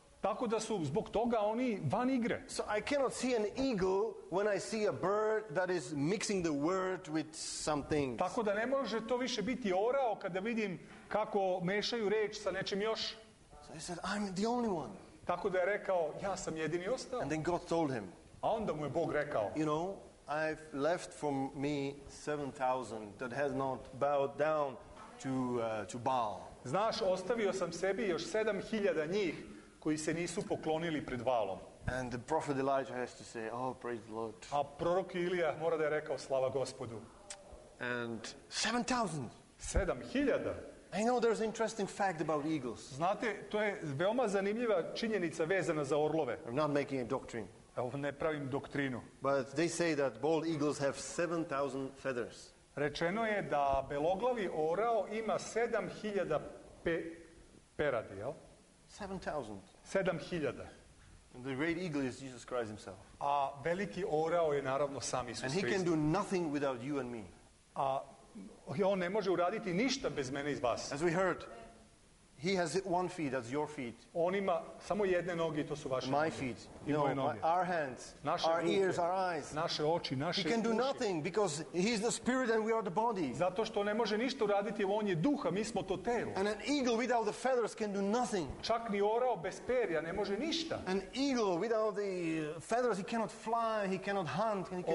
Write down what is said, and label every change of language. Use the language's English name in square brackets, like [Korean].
[Serbian] Tako da su zbog toga oni van igre. [English] So I cannot see an eagle when I see a bird that is mixing the word with something. [Serbian] Tako da ne može to više biti orao kada vidim kako mešaju reč sa nečim još. [English] So he said, I'm the only one. [Serbian] Tako da je rekao ja sam jedini ostao. [English] And then God told him. [Serbian] A onda mu je Bog rekao. [English] You know, I've left from me 7,000 that has not bowed down to Baal. [Serbian] Znaš, ostavio sam sebi još 7,000 njih koji se nisu poklonili pred Baalom. [English] And the prophet Elijah has to say, oh, praise the Lord. [Serbian] A prorok Ilija mora da je rekao slava Gospodu. [English] And 7,000. [Serbian] 7,000. [English] I know there's an interesting fact about eagles. [Serbian] Znate, to je veoma zanimljiva činjenica vezana za orlove. [English] I'm not making a doctrine. [Serbian] Ne pravim doktrinu. [English] But they say that bald eagles have 7,000 feathers. [Serbian] Rečeno je da beloglavi orao ima 7,000 peradi, jel? [English] 7,000. [Serbian] 7,000. [English] And the great eagle is Jesus Christ himself. [Serbian] A veliki orao je naravno sam Isus Hrist. [English] And he can do nothing without you and me. [Serbian] A on ne može uraditi ništa bez mene i vas. [English] As we heard, he has one feet, that's your feet. [Serbian] On ima samo jedne noge, to su vaše. [English] My feet, no, our hands, [Serbian] naše [English] our [Serbian] ruke, [English] ears, our eyes. [Serbian] Naše oči, naše [English] he can do nothing because he is the spirit and we are the body. [Serbian] Zato što ne može ništa uraditi, on je duh, a mi smo to telo. [English] And an eagle without the feathers can do nothing. [Serbian] Čak ni orao bez perja ne može ništa. [English] An eagle without the feathers, he cannot fly, he cannot hunt, he can